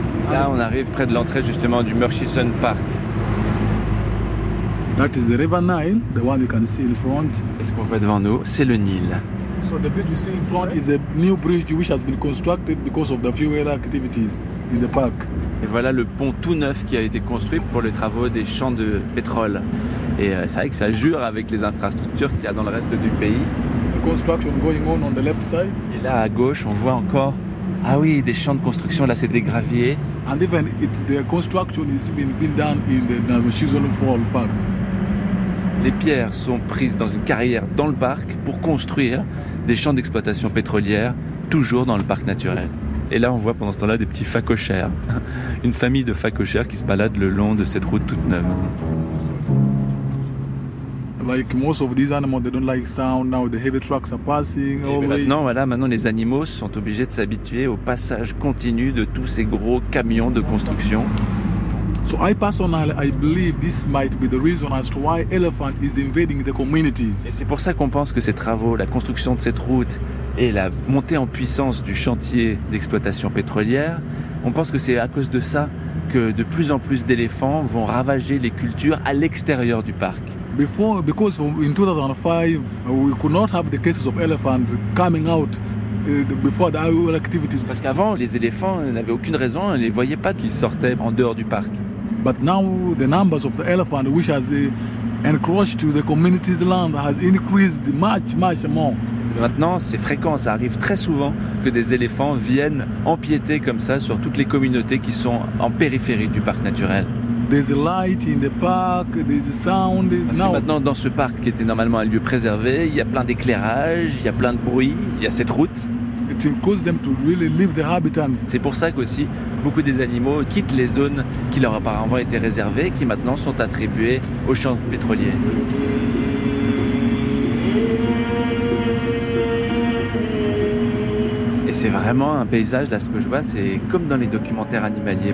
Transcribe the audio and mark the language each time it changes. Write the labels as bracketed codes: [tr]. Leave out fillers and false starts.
[fr] Là, on arrive près de l'entrée justement du Murchison Park. [en] That is the River Nile, the one you can see in front. [fr] Et ce qu'on voit devant nous, c'est le Nil. [en] So the bridge you see in front is a new bridge which has been constructed because of the fuel activities in the park. [fr] Et voilà le pont tout neuf qui a été construit pour les travaux des champs de pétrole. Et c'est vrai que ça jure avec les infrastructures qu'il y a dans le reste du pays. [en] The construction going on the left side. [fr] Et là à gauche, on voit encore. Ah oui, des champs de construction, là c'est des graviers. [en] And even if the construction is being done in the Murchison Falls Park. [fr] Les pierres sont prises dans une carrière dans le parc pour construire des champs d'exploitation pétrolière, toujours dans le parc naturel. Et là on voit pendant ce temps-là des petits phacochères, une famille de phacochères qui se baladent le long de cette route toute neuve. [en] Like most of these animals, they don't like sound. Now the heavy trucks are passing. [fr] Maintenant, voilà, maintenant les animaux sont obligés de s'habituer au passage continu de tous ces gros camions de construction. [en] So I personally, I believe this might be the reason as to why elephant is invading the communities. [fr] Et c'est pour ça qu'on pense que ces travaux, la construction de cette route et la montée en puissance du chantier d'exploitation pétrolière, on pense que c'est à cause de ça que de plus en plus d'éléphants vont ravager les cultures à l'extérieur du parc. [en] Before, because in 2005, we could not have the cases of elephants coming out before the IUL activities. [fr] Parce qu'avant, les éléphants n'avaient aucune raison, on ne les voyait pas qu'ils sortaient en dehors du parc. [en] But now the numbers of the elephant which has encroached to the community's land has increased much, much more. [fr] Maintenant, c'est fréquent, ça arrive très souvent que des éléphants viennent empiéter comme ça sur toutes les communautés qui sont en périphérie du parc naturel. [en] There's a light in the park, there's a sound. [fr] Parce que maintenant, dans ce parc qui était normalement un lieu préservé, il y a plein d'éclairages, il y a plein de bruit, il y a cette route. [en] It caused them to really leave their habitats. [fr] C'est pour ça qu'aussi, beaucoup des animaux quittent les zones qui leur apparemment étaient réservées, qui maintenant sont attribuées aux champs pétroliers. C'est vraiment un paysage, là, ce que je vois, c'est comme dans les documentaires animaliers.